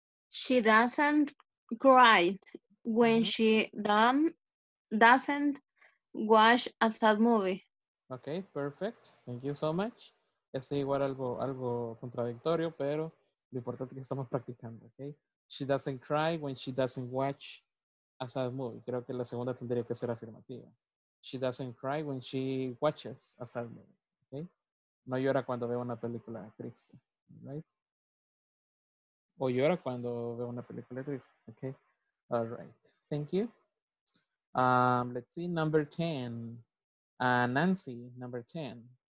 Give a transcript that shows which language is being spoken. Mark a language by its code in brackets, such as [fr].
[en] She doesn't cry when she doesn't watch a sad movie. Okay, perfect. Thank you so much. [es] Este igual algo contradictorio, pero lo importante es que estamos practicando, okay? [en] She doesn't cry when she doesn't watch a sad movie. [es] Creo que la segunda tendría que ser afirmativa. [en] She doesn't cry when she watches a sad movie. [es] Okay? No llora cuando ve una película triste. [en] Right? [es] O llora cuando ve una película triste. Okay? [en] All right. Thank you. Let's see. Number 10. Nancy, number 10.